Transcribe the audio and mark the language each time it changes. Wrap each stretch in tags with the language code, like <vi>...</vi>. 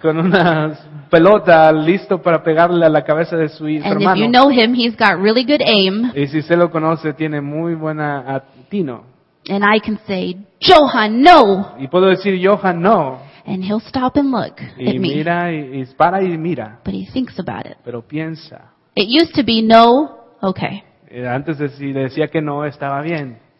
<es>Con una pelota listo para pegarle a la cabeza de su hermano.</es> <en>And if you know him, he's got really good aim.</en> <es>Y si usted lo conoce, tiene muy buen atino.</es> <en>And I can say, Johan, no.</en> <es>Y puedo decir, Johan, no.</es> <en>And he'll stop and look</en> <es>y</es> <en>at me.</en> <es>Mira, y para y mira.</es> <en>But he thinks about it.</en> <es>Pero piensa.</es> <en>It used to be no, okay.</en> <es>Antes decía que no, estaba bien.</es>